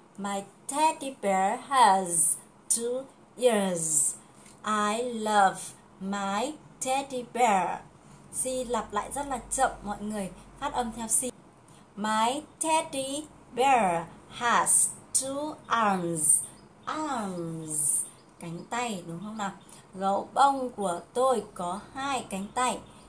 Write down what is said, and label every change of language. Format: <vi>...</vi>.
<en>My teddy bear has two ears. I love my teddy bear.</en> <vi>Si lặp lại rất là chậm, mọi người phát âm theo Si.</vi> <en>My teddy bear has two arms.</en> <vi>Arms, cánh tay đúng không nào? Gấu bông của tôi có hai cánh tay.</vi>